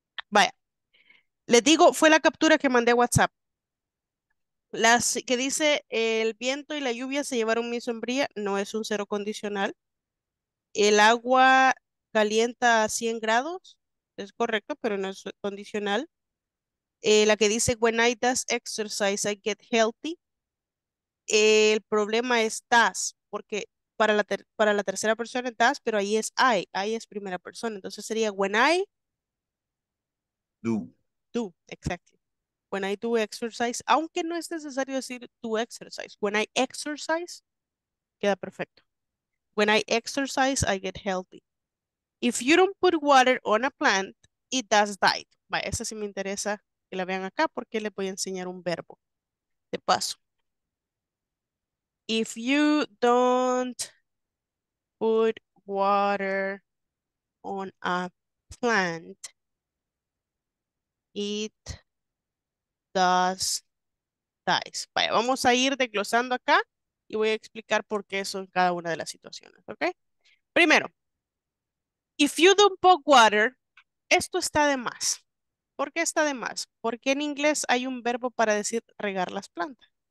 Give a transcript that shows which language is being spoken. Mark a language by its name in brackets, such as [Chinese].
[Spanish] Vaya, les digo, fue la captura que mandé a WhatsApp. Las que dice, el viento y la lluvia se llevaron mi sombría, no es un cero condicional. El agua calienta a 100 grados, es correcto, pero no es condicional. La que dice, [English] when I does exercise, I get healthy. [Spanish] El problema es does, porque para la tercera persona es does, pero ahí es I es primera persona. Entonces sería, [English] when I do. Exactly. When I do exercise, [Spanish] aunque no es necesario decir [English] do exercise. When I exercise, [Spanish] queda perfecto. [English] When I exercise, I get healthy. If you don't put water on a plant, it does die. [Spanish] Vaya, esa sí me interesa que la vean acá porque les voy a enseñar un verbo. De paso. [English] If you don't put water on a plant, it does [Spanish] amistades. Vaya, vamos a ir desglosando acá y voy a explicar por qué son cada una de las situaciones, ¿ok? Primero, [English] if you don't pour water, [Spanish] esto está de más. ¿Por qué está de más? Porque en inglés hay un verbo para decir regar las plantas.